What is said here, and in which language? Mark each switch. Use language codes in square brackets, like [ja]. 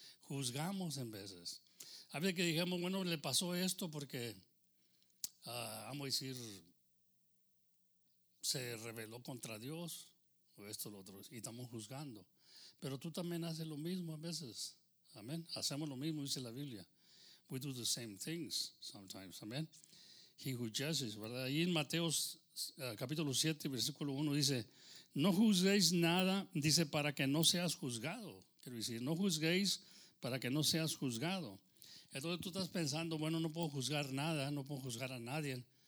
[es] Juzgamos en veces. A veces que digamos, bueno, le pasó esto porque, vamos a decir, se rebeló contra Dios, o esto o lo otro, y estamos juzgando. Pero tú también haces lo mismo a veces. Amén. Hacemos lo mismo, dice la Biblia. [en] We do the same things sometimes. [es] Amén. [en] He who judges, [es] ¿verdad? Ahí en Mateo capítulo 7, versículo 1 dice, no juzguéis nada, dice, para que no seas juzgado. Quiero decir, no juzguéis para que no seas juzgado. Entonces tú estás pensando, bueno, no puedo juzgar nada, no puedo juzgar a nadie.